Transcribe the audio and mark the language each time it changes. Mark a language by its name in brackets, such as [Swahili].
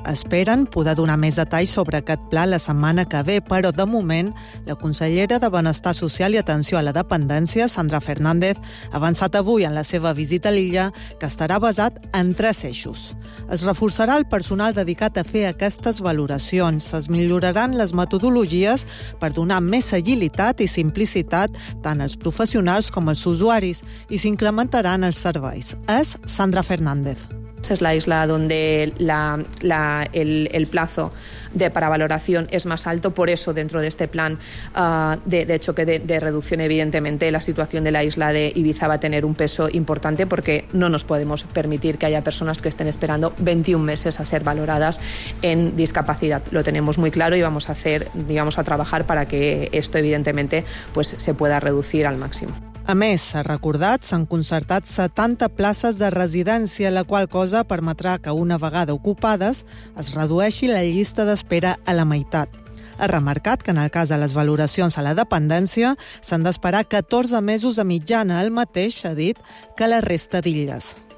[Catalan] Esperen poder donar més detalls sobre aquest pla la setmana que ve, però de moment la consellera de Benestar Social i Atenció a la Dependència, Sandra Fernández, ha avançat avui en la seva visita a l'illa que estarà basat en tres eixos. Es reforçarà el personal dedicat a fer aquestes valoracions, es milloraran les metodologies per donar més agilitat i simplicitat tant als professionals com als usuaris i s'incrementarà estarán els serveis. És Sandra Fernández. [Spanish] Es la isla donde el plazo de para valoración es más alto, por eso dentro de este plan de reducción, evidentemente la situación de la isla de Ibiza va a tener un peso importante porque no nos podemos permitir que haya personas que estén esperando 21 meses a ser valoradas en discapacidad. Lo tenemos muy claro y vamos a hacer, digamos, a trabajar para que esto evidentemente pues se pueda reducir al máximo. [Catalan] A més, s'ha recordat, s'han concertat 70 places de residència, la qual cosa permetrà que, una vegada ocupades, es redueixi la llista d'espera a la meitat. Ha remarcat que, en el cas de les valoracions a la dependència, s'han d'esperar 14 mesos de mitjana, el mateix, ha dit, que la resta d'illes.